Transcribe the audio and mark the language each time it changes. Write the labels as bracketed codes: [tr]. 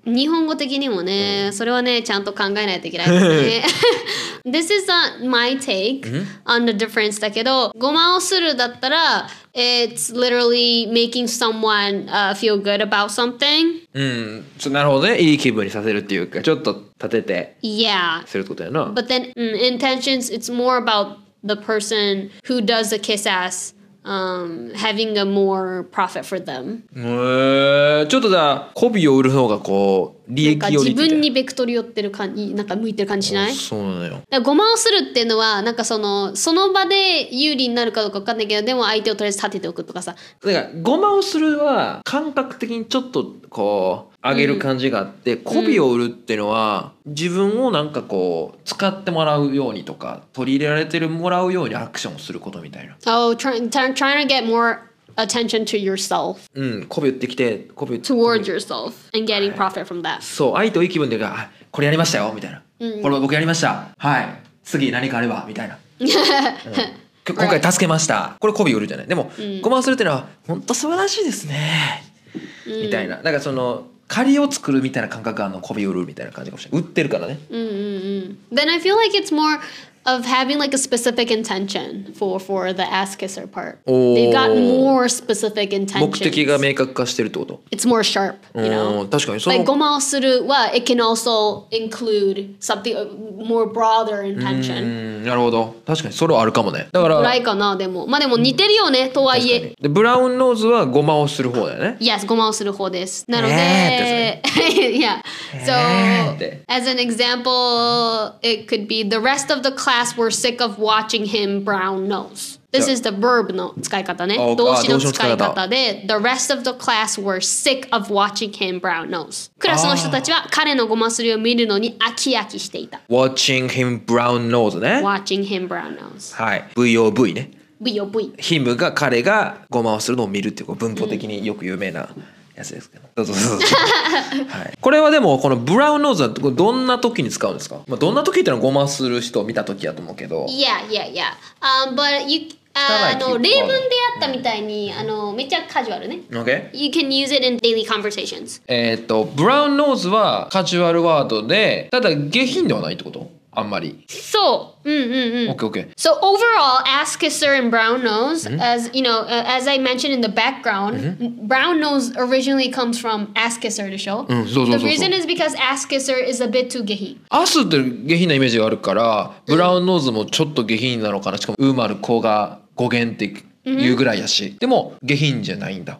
[ja] 日本語的にもね、それはねちゃんと考えないといけないですね。 [en] This is my take on the difference [ja] だけど、ゴマをするだったら [en] It's literally making someone feel good about something。 [ja] うん、なるほどね。いい気分にさせるっていうか、ちょっと。 [en] Yeah. But then intentions, it's more about the person who does the kiss ass having a more profit for them. [ja] ちょっとじゃあ、媚びを売る方がこう、利益寄りって。自分にベクトル寄ってる感じ、なんか向いてる感じしない? そうなのよ。だからごまをするっていうのは、なんかその場で有利になるかどうか分かんないけど、でも相手をとりあえず立てておくとかさ。だからごまをするは、感覚的にちょっとこう、上げる感じがあって、媚びを売るっていうのは、自分をなんかこう、使ってもらうようにとか、取り入れられてるもらうようにアクションをすることみたいな。 [en] Oh, trying to get more attention to yourself. [ja] うん、媚び売ってきて、媚び [en] Towards yourself and getting profit from that. [ja] そう、愛といい気分で、あ、これやりましたよ、みたいな。これは僕やりました。はい。次何かあれば、みたいな。今回助けました。これ媚び売るじゃない。でも、ごまをするっていうのは、本当素晴らしいですね。みたいな。だからその、借りを作るみたいな感覚があるの、媚び売るみたいな感じかもしれない。売ってるからね。 [en] Then I feel like it's more of having like a specific intention for the ass kisser part. They've got more specific intentions. [ja] 目的が明確化してるってこと。 [en] It's more sharp, you know. [ja] 確かに [en] その。Like ごまをするは、it can also include something more broader intention. [ja] なるほど。確かにそれはあるかもね。だから。ぐらいかな、でも。まあでも似てるよね、とはいえ。で、ブラウンノーズはごまをする方だよね。 Yes, ごまをする方です。なので。yeah. [en] So, as an example, it could be the rest of the class were sick of watching him brown nose. This is the verb [ja] の使い方ね。動詞の使い方で、 [en] The rest of the class were sick of watching him brown nose. [ja] クラスの人たちは彼のゴマすりを見るのに飽き飽きしていた。 [en] Watching him brown nose ね。 Watching him brown nose。 [ja] はい。V-O-V ね。 V-O-V。ヒムが彼がゴマをするのを見るっていう文法的によく有名なやつですけど。どうぞどうぞ。これはでもこのブラウンノーズはどんな時に使うんですか、まあ、どんな時っていうのはゴマする人を見た時やと思うけど。いやいやいや。 [en] But you, [ja] あの例文でやったみたいに、あのめっちゃカジュアルね。 [en] Okay. You can use it in daily conversations. [ja] ブラウンノーズはカジュアルワードで、ただ下品ではないってことあんまり。そう。 [en] Okay, okay. So overall, ask kisser and brown nose, as you know, as I mentioned in the background, brown nose originally comes from ask kisser でしょ。 [ja] うん、そうそうそう。 [en] The reason is because ask kisser is a bit too 下品。 [ja] アスって下品なイメージがあるから、ブラウンノーズもちょっと下品なのかな。しかもウーマルコが語源的。 Mm-hmm. 言うぐらいやし。でも、下品じゃないんだ。